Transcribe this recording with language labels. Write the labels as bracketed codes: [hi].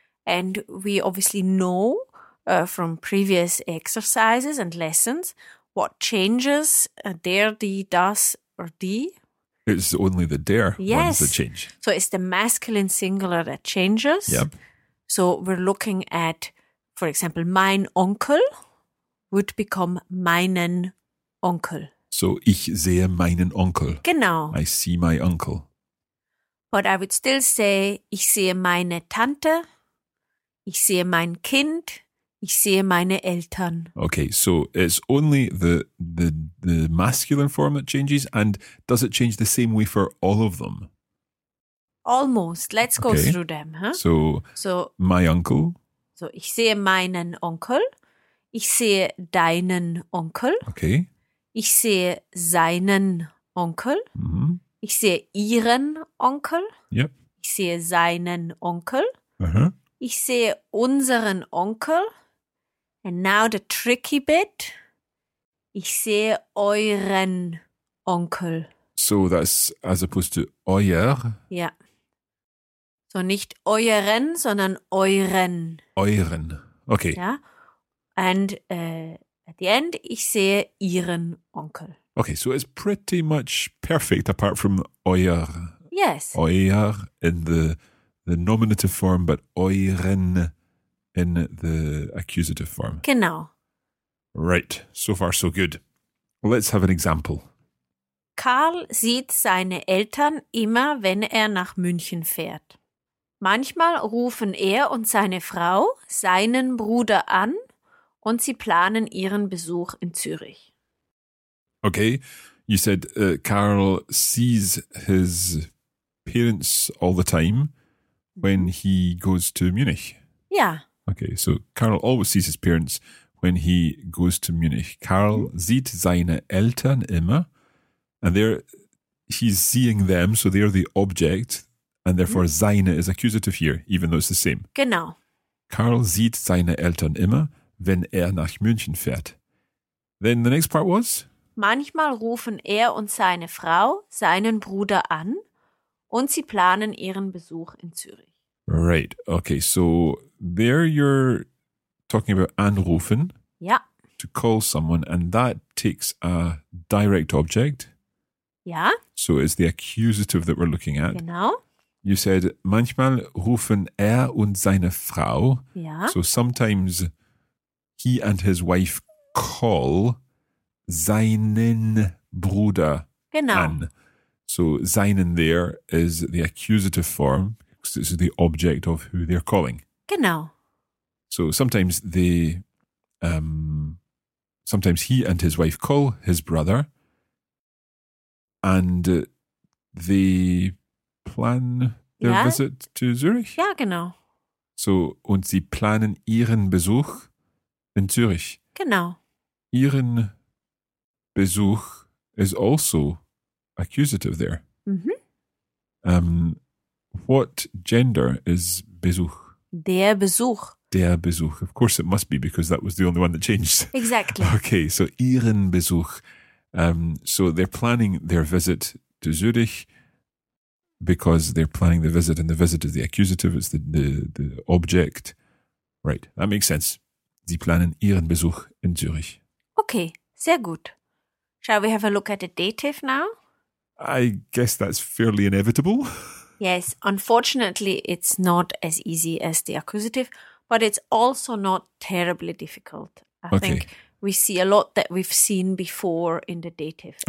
[en] And we obviously know from previous exercises and lessons what changes der, die, das, or die. It's only the der ones that change. So it's the masculine singular that changes. Yep. So we're looking at, for example, [de] mein Onkel [en] would become [de] meinen Onkel. So ich sehe meinen Onkel. Genau. [en] I see my uncle. But I would still say [de] ich sehe meine Tante, ich sehe mein Kind, ich sehe meine Eltern. [en] Okay, so it's only the masculine form that changes, and does it change the same way for all of them? Almost. Let's go through them. Huh? So my uncle. [de] So ich sehe meinen Onkel. Ich sehe deinen Onkel. [en] Okay. [de] Ich sehe seinen Onkel. Mm-hmm. Ich sehe ihren Onkel. [en] Yep. [de] Ich sehe seinen Onkel. Uh-huh. Ich sehe unseren Onkel. [en] And now the tricky bit. [de] Ich sehe euren Onkel. [en] So that's as opposed to euer. Yeah. [de] So nicht euren, sondern euren. Euren. Okay. Ja. [en] And at the end, [de] ich sehe ihren Onkel. [en] Okay, so it's pretty much perfect apart from euer. Yes. Euer in the nominative form, but euren in the accusative form. [de] Genau. [en] Right, so far so good. Let's have an example. [de] Karl sieht seine Eltern immer, wenn er nach München fährt. Manchmal rufen er und seine Frau seinen Bruder an, und sie planen ihren Besuch in Zürich. [en] Okay, you said Karl sees his parents all the time when he goes to Munich. Yeah. Okay, so Karl always sees his parents when he goes to Munich. [de] Karl sieht seine Eltern immer. [en] And there, he's seeing them, so they're the object. And therefore seine is accusative here, even though it's the same. [de] Genau. Karl sieht seine Eltern immer, wenn er nach München fährt. [en] Then the next part was? [de] Manchmal rufen er und seine Frau seinen Bruder an und sie planen ihren Besuch in Zürich. [en] Right, okay, so there you're talking about anrufen. [de] Ja. [en] To call someone, and that takes a direct object. [de] Ja. [en] So it's the accusative that we're looking at. [de] Genau. [en] You said, [de] manchmal rufen er und seine Frau. Ja. [en] So sometimes he and his wife call [de] seinen Bruder genau. an. [en] So seinen there is the accusative form, because it's the object of who they're calling. [de] Genau. [en] So sometimes they, sometimes he and his wife call his brother, and they plan their visit to Zurich. [de] Ja, genau. [en] So, [de] und sie planen ihren Besuch in Zürich. Genau. Ihren Besuch [en] is also accusative there. Mm-hmm. What gender is Besuch? [de] Der Besuch. Der Besuch. [en] Of course it must be, because that was the only one that changed. Exactly. Okay, so [de] ihren Besuch. [en] So they're planning their visit to Zürich because they're planning the visit, and the visit is the accusative, it's the object. Right, that makes sense. [de] Sie planen ihren Besuch in Zürich. Okay, sehr gut. [en] Shall we have a look at the dative now? I guess that's fairly inevitable. Yes, unfortunately, it's not as easy as the accusative, but it's also not terribly difficult. I think we see a lot that we've seen before in the dative.